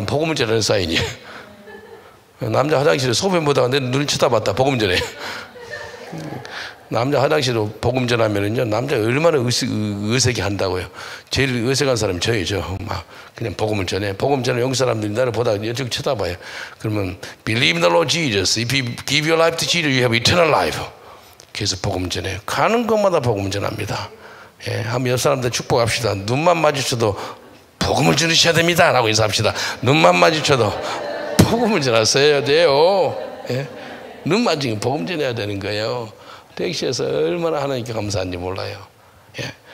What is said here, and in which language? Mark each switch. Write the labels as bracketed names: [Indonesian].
[Korean] 복음을 전하는 사인이에요. 남자 화장실에 소변 보다가 내 눈을 쳐다봤다. 복음 전해. 남자 화장실에 복음 전하면은요. 남자 얼마나 어색해 한다고요. 제일 어색한 사람이 저예요. 저 막 그냥 복음을 전해. 복음 전해. 영국 사람들이 나를 보다가 이쪽 쳐다봐요. 그러면 [English] Believe the Lord Jesus. If you give your life to Jesus, you have eternal life. [Korean] 계속 복음 전해. 가는 것마다 복음 전합니다. 예, 한번 옆 사람들 축복합시다. 눈만 마주쳐도 복음을 전하셔야 됩니다. 라고 인사합시다. 눈만 마주쳐도 복음을 전하셔야 돼요. 예? 눈만 지금 복음 전해야 되는 거예요. 택시에서 얼마나 하나님께 감사한지 몰라요. 예.